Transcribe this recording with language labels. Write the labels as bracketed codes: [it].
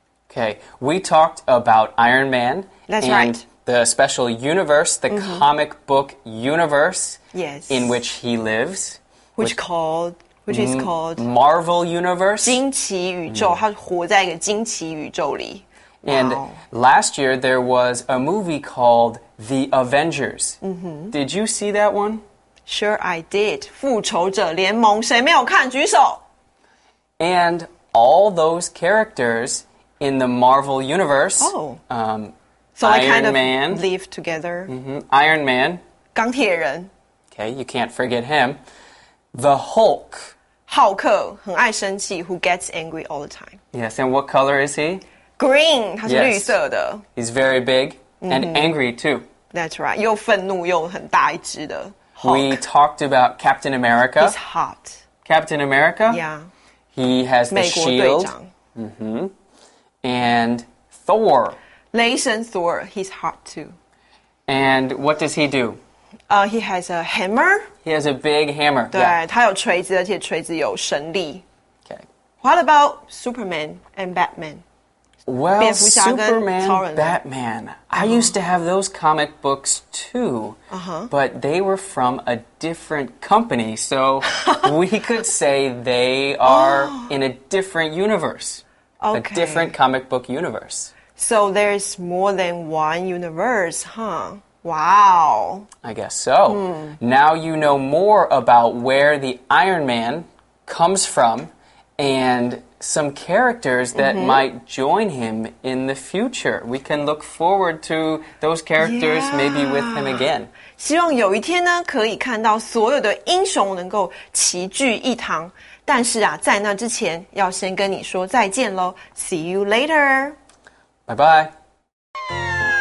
[en] Okay, we talked about Iron Man. That's right. The special universe, the comic book universe, yes, in which he lives, which is called Marvel Universe. [zh] 惊奇宇宙，他活在一个惊奇宇宙里。 [en] And last year there was a movie called The Avengers. Did you see that one? Sure, I did. [zh] 复仇者联盟，谁没有看？举手。 [en] And all those characters in the Marvel Universe, Iron Man, live together. Iron Man. [zh] 钢铁人。 [en] Okay, you can't forget him. The Hulk. [zh] 浩克，很爱生气 [en] who gets angry all the time. Yes, and what color is he? [zh] Green, 它是绿色的。 [en] Yes, he's very big and angry too. That's right, [zh] 又愤怒又很大一只的 Hulk. [en] We talked about Captain America. He's hot. Captain America? Yeah. He has the shield. [zh] 美国队长。 [en] And Thor. 雷神 Thor, he's hot too. And what does he do? He has a hammer. He has a big hammer. [zh] 对，他有锤子，而且锤子有神力。 [en] Okay. What about Superman and Batman? Well, Superman, Batman, I used to have those comic books too, but they were from a different company, so we could say they are in a different universe, a different comic book universe. So there's more than one universe, huh? Wow. I guess so. Now you know more about where the Iron Man comes from and... some characters that might join him in the future. We can look forward to those characters maybe with him again. [zh] 希望有一天呢可以看到所有的英雄能够齐聚一堂。但是啊在那之前要先跟你说再见咯。 [en] See you later. Bye bye.